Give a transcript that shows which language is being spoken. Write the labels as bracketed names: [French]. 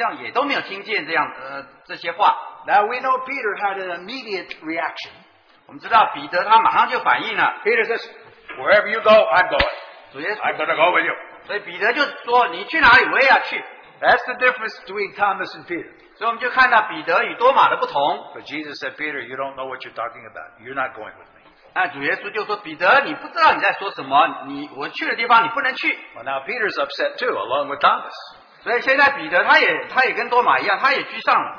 [Chinese] 我相信其他的门徒好像也都没有听见这样这些话。 [English] Now we know Peter had an immediate reaction. [Chinese] 我们知道彼得他马上就反应了。 [English] Peter says, wherever you go, I'm going. [Chinese] 主耶稣, [English] I'm going to go with you. [Chinese] 所以彼得就说, 你去哪里我也要去。 [English] That's the difference between Thomas and Peter. [Chinese] 所以我们就看到彼得与多马的不同。 [English] But Jesus said, Peter, you don't know what you're talking about. You're not going with me. [Chinese] 那主耶稣就说,彼得,你不知道你在说什么,你,我去的地方你不能去。 [English] Well, now Peter's upset too, along with Thomas. [Chinese] 所以现在彼得,他也跟多马一样,他也沮丧了。